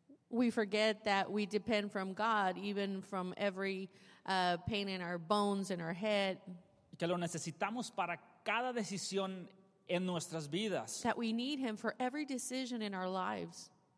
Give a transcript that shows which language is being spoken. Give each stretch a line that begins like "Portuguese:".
English: We forget that we depend from God, even from every pain in our bones, in our head.
Spanish: Que lo necesitamos para cada decisión en nuestras vidas.
English: That we need him for every decision in our lives.